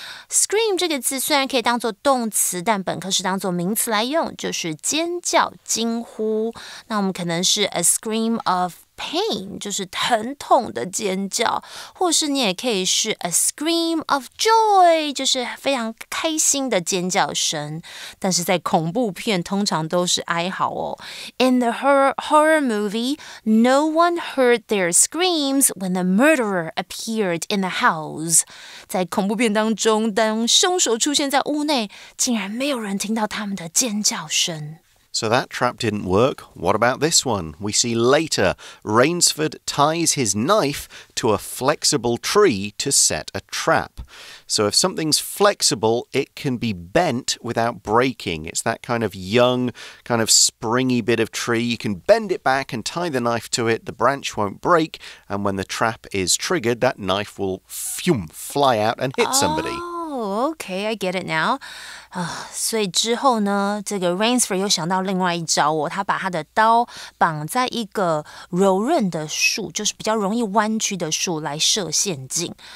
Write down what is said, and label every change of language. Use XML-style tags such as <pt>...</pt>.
<zh>Scream 这个字虽然可以当做动词，但本科是当做名词来用，就是尖叫、惊呼。那我们可能是</zh> <en>a scream of pain,</en> <zh>就是疼痛的尖叫，或是你也可以是</zh> <en>a scream of joy,</en> <zh>就是非常开心的尖叫声。但是在恐怖片通常都是哀嚎哦。</zh> <en>In the horror movie, no one heard their screams when the murderer appeared in the house.</en> <zh>在恐怖片当中，当凶手出现在屋内，竟然没有人听到他们的尖叫声。</zh> <en>So that trap didn't work. What about this one? We see later, Rainsford ties his knife to a flexible tree to set a trap. So if something's flexible, it can be bent without breaking. It's that kind of young, kind of springy bit of tree. You can bend it back and tie the knife to it. The branch won't break. And when the trap is triggered, that knife will fly out and hit somebody. Okay, I get it now.</en> <zh>所以之后呢，这个 Rainsford 又想到另外一招哦，他把他的刀绑在一个柔韧的树，就是比较容易弯曲的树来设陷阱。</zh>